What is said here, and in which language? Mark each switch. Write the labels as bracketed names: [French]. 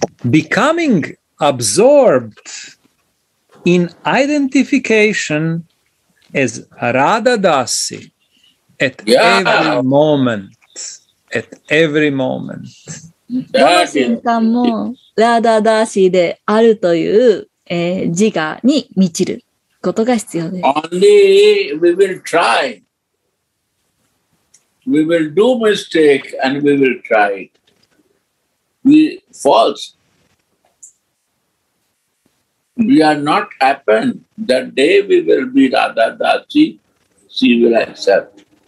[English] Becoming absorbed in identification as Radha Dasi at every moment. At every moment. [Japanese] どの瞬間もラーダーダーシーであるという、自我に満ちることが必要です。 [English] Only we will try. We will do mistake and we will try it. We false. We are not happen. The day we will be Radha Dasi, she will accept.